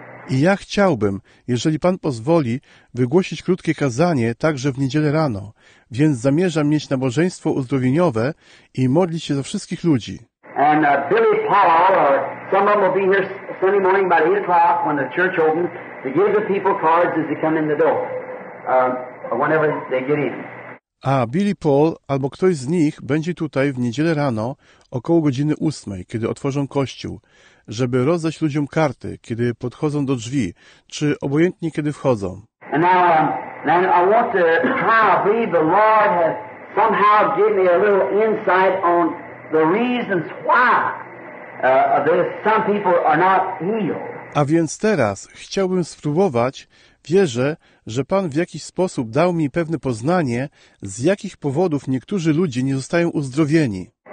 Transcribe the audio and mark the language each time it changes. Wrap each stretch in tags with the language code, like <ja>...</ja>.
<pl>I ja chciałbym, jeżeli Pan pozwoli, wygłosić krótkie kazanie także w niedzielę rano, więc zamierzam mieć nabożeństwo uzdrowieniowe i modlić się za wszystkich ludzi.</pl> <en>And Billy Powell, or some of them will be here Sunday morning about 8 o'clock when the church opens to give the people cards as they come in the door, whenever they get in.</en> <pl>A Billy Paul albo ktoś z nich będzie tutaj w niedzielę rano około godziny 8, kiedy otworzą kościół, żeby rozdać ludziom karty, kiedy podchodzą do drzwi, czy obojętnie kiedy wchodzą.</pl> <en>And now, I want to try to believe the Lord has somehow given me a little insight on the reasons why some people are not healed.</en> <pl>A więc teraz chciałbym spróbować, wierzę, że Pan w jakiś sposób dał mi pewne poznanie, z jakich powodów niektórzy ludzie nie zostają uzdrowieni.</pl>